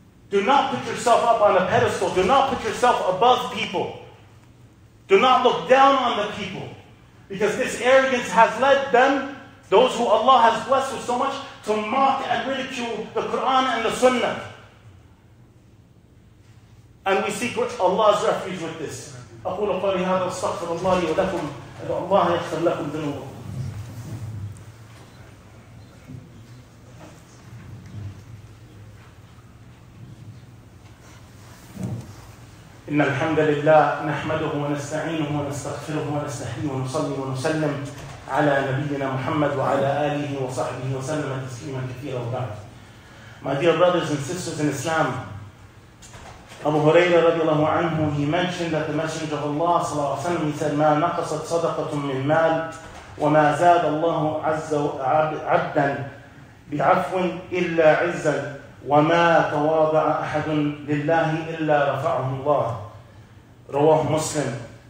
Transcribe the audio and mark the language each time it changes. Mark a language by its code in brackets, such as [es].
[en] Do not put yourself up on a pedestal. Do not put yourself above people. Do not look down on the people. Because this arrogance has led them, those who Allah has blessed with so much, to mock and ridicule the Quran and the Sunnah. And we seek Allah's refuge with this. [ar] أقول قولي هذا واستغفر الله لي ولكم أدعو الله يغفر لكم ذنوبكم. إن الحمد لله نحمده ونستعينه ونستغفره ونستحيه ونصلي ونسلم على نبينا محمد وعلى آله وصحبه وسلم تسليما كثيرا وبعد. [en] My dear brothers and sisters in Islam, Abu Huraira radiallahu anhu, he mentioned that the Messenger of Allah sallallahu alayhi wa sallam, he said, [ar] مَا نَقَصَتْ صَدَقَةٌ مِنْ مَالٍ وَمَا زَادَ اللَّهُ عَزَّ عَبْدًا بِعَفْوٍ إِلَّا عِزًّا وَمَا تَوَاضَعَ أَحَدٌ لِلَّهِ إِلَّا رَفَعُهُ اللَّهِ رواه مسلم.